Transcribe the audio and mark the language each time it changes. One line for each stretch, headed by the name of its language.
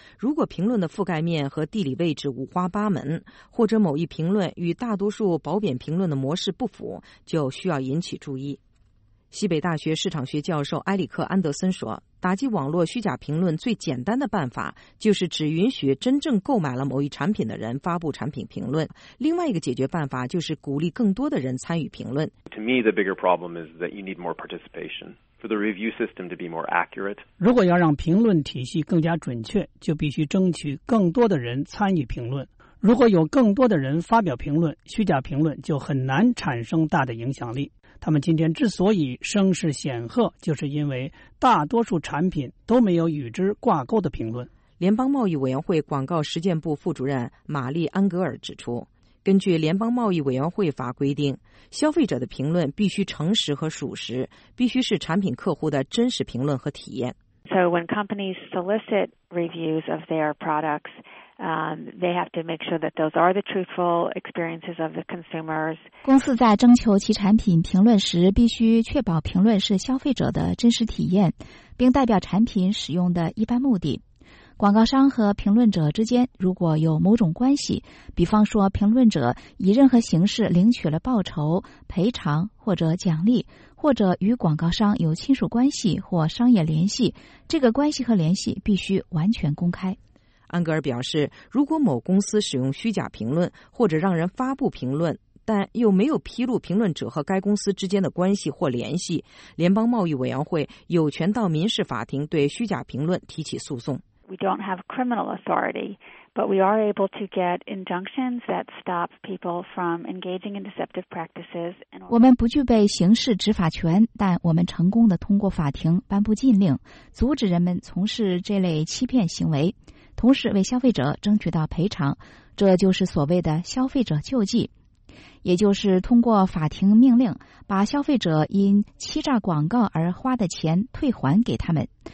Chinese: 如果评论的覆盖面和地理位置五花八门，或者某一评论与大多数褒贬评论的模式不符，就需要引起注意。西北大学市场学教授埃里克·安德森说，打击网络虚假评论最简单的办法就是只允许真正购买了某一产品的人发布产品评论。另外一个解决办法就是鼓励更多的人参与评论。
English: To me, the bigger problem is that you need more participation for the review system to be more accurate.
Chinese: 如果要让评论体系更加准确，就必须争取更多的人参与评论。如果有更多的人发表评论，虚假评论就很难产生大的影响力。他们今天之所以声势显赫，就是因为大多数产品都没有与之挂钩的评论。联邦贸易委员会广告实践部副主任玛丽·安格尔指出，根据联邦贸易委员会法规定，消费者的评论必须诚实和属实，必须是产品客户的真实评论和体验。
English: So when companies solicit reviews of their products, they have to make sure that those are the truthful experiences of the consumers.
Chinese: 公司在征求其产品评论时，必须确保评论是消费者的真实体验，并代表产品使用的一般目的。广告商和评论者之间如果有某种关系，比方说评论者以任何形式领取了报酬、赔偿或者奖励，或者与广告商有亲属关系或商业联系，这个关系和联系必须完全公开。安格尔表示，如果某公司使用虚假评论或者让人发布评论，但又没有披露评论者和该公司之间的关系或联系，联邦贸易委员会有权到民事法庭对虚假评论提起诉讼。
English: We don't have criminal authority, but we are able to get injunctions that stop people from engaging in deceptive practices.
Chinese: 我们不具备刑事执法权，但我们成功地通过法庭颁布禁令，阻止人们从事这类欺骗行为，同时为消费者争取到赔偿。这就是所谓的消费者救济，也就是通过法庭命令把消费者因欺诈广告而花的钱退还给他们。